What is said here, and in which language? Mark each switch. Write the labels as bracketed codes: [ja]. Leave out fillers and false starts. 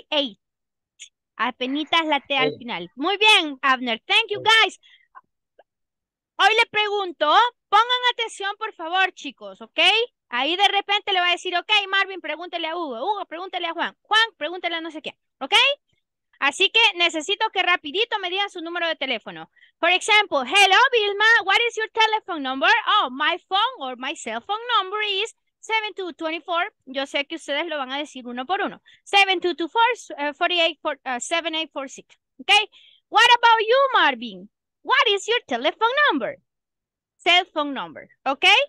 [es] 8. Apenitas la T al final. Muy bien, Abner. [en] Thank you, guys. [es] Hoy le pregunto, pongan atención, por favor, chicos, ¿ok? Ahí de repente le va a decir, ok, Marvin, pregúntele a Hugo. Hugo, pregúntele a Juan. Juan, pregúntele a no sé qué, ¿ok? Así que necesito que rapidito me digan su número de teléfono. [en] For example, hello, Vilma, what is your telephone number? Oh, my phone or my cell phone number is 7224. [es] Yo sé que ustedes lo van a decir uno por uno. [en] 7224-7846, ¿ok? What about you, Marvin? What is your telephone number? Cell phone number, ¿ok?